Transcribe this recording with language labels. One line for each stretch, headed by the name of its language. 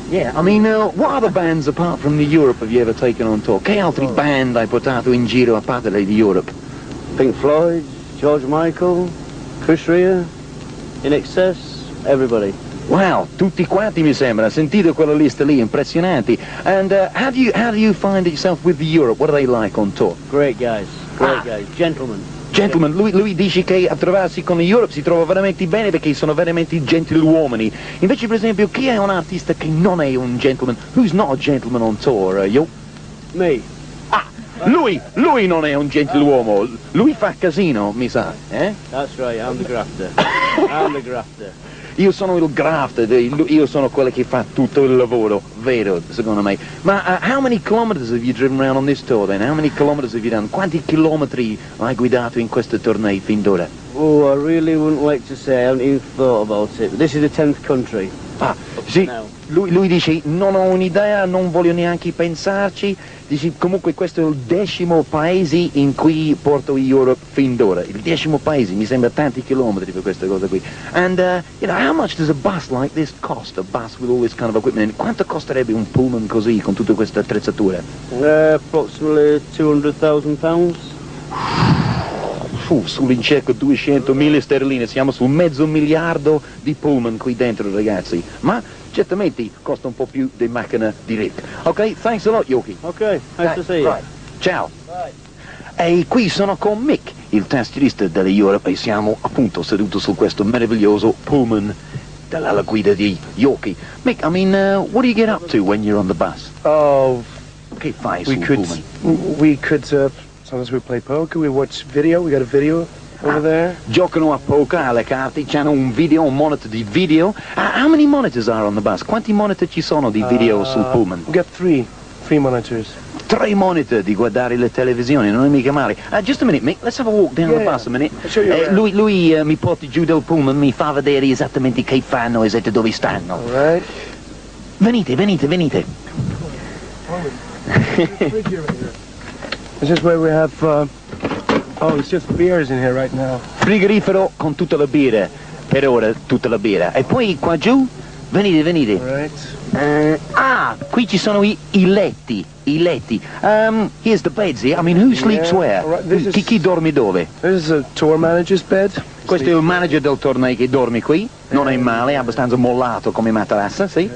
English: Yeah. I mean, what other bands, apart from the Europe, have you ever taken on tour?
Italian: Che altri band hai portato in giro a parte di Europe?
English: Pink Floyd, George Michael, Chris Rea, In Excess, everybody.
Italian: Wow, tutti quanti mi sembra. Sentito quella lista lì, impressionanti.
English: And how do you find yourself with the Europe? What are they like on tour? Great guys. Gentlemen.
Italian: Gentlemen, lui dice che a trovarsi con l'Europe si trova veramente bene, perché sono veramente gentiluomini. Invece, per esempio, chi è un artista che non è un gentleman?
English: Who's not a gentleman on tour? Yo? Me.
Italian: Ah, lui non è un gentiluomo. Lui fa casino, mi sa. Eh?
English: That's right, I'm the grafter. I'm the grafter.
Italian: Io sono il grafter, io sono quello che fa tutto il lavoro, vero, secondo me.
English: Ma how many kilometers have you driven around on this tour then? How many kilometers have you done?
Italian: Quanti chilometri hai guidato in questa tournée fin d'ora?
English: Oh, I really wouldn't like to say, I haven't even thought about it. This is the 10th country.
Italian: Ah, sì, lui dice, non ho un'idea, non voglio neanche pensarci. Dice, comunque questo è il 10° paese in cui porto Europe fin d'ora. Il 10° paese, mi sembra tanti chilometri per questa cosa qui.
English: And, you know, how much does a bus like this cost? A bus with all this kind of equipment?
Italian: Quanto costerebbe un pullman così, con tutta questa attrezzatura?
English: Approximately 200,000 pounds.
Italian: Sull'incirca 200.000 sterline, siamo su mezzo miliardo di pullman qui dentro, ragazzi. Ma certamente costa un po' più di macchina di rip.
English: Ok, thanks a lot, Yorkie. Ok, nice to see you.
Italian: Ciao.
English: Bye.
Italian: E qui sono con Mick, il tastierista della Europe, e siamo appunto seduto su questo meraviglioso pullman della guida di Yorkie.
English: Mick, I mean, what do you get up to when you're on the bus? Oh,
Italian: che fai sul pullman?
English: Sometimes we play poker, we watch video, we got a video over there.
Italian: Giocano a poker, alle carte, c'hanno un video, un monitor di video.
English: How many monitors are on the bus?
Italian: Quanti monitor ci sono di video sul pullman?
English: We got three monitors.
Italian: Tre monitor di guardare le televisioni, non è mica male.
English: Just a minute, Mick, let's have a walk down the bus a minute. Sure,
Italian: lui mi porti giù del pullman, mi fa vedere esattamente che fanno, esattamente dove stanno.
English: All right.
Italian: Venite.
English: This is where we have, it's just beers in here right now.
Italian: Frigorifero con tutta la birra, per ora tutta la birra. E poi qua giù, venite.
English: Right.
Italian: Qui ci sono i letti.
English: Here's the beds here, I mean, who sleeps where? Right,
Italian: chi dorme dove?
English: This is a tour manager's bed.
Italian: Questo è il manager del tournée che dorme qui. Non è male, è abbastanza mollato come materassa, sì.